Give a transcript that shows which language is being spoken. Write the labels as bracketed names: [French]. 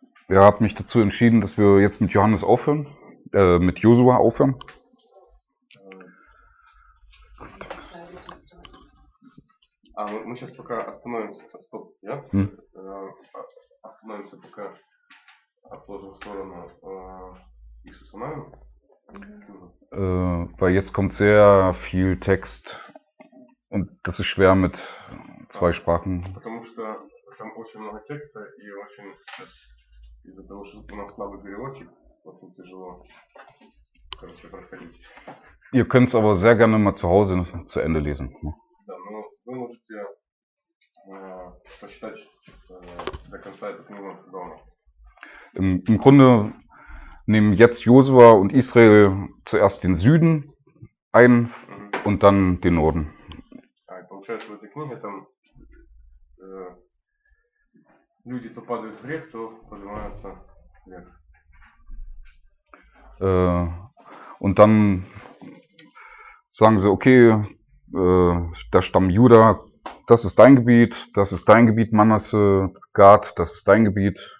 [German] Ich habe mich dazu entschieden, dass wir jetzt mit Johannes aufhören, mit Josua aufhören. [Russian] Aber мы сейчас пока остановимся, стоп, ja? Остановимся пока, отложим в сторону Иисуса Навина. [German] Weil jetzt kommt sehr viel Text und das ist schwer mit zwei Sprachen. [Russian] Потому что там очень много текста и очень из-за того, что у нас слабый переводчик, очень тяжело, короче, проходить. [German] Ihr könnt es aber sehr gerne mal zu Hause zu Ende lesen. [Russian] Да, но вы можете прочитать до конца эту книгу дома. [German] Im Grunde nehmen jetzt Josua und Israel zuerst den Süden ein und dann den Norden. [Russian] Ja, и получается, в этой книге там люди то падают в грех, то поднимаются вверх. [German] Und dann sagen sie, okay, der Stamm Juda, das ist dein Gebiet, das ist dein Gebiet, Manasse, Gad, das ist dein Gebiet.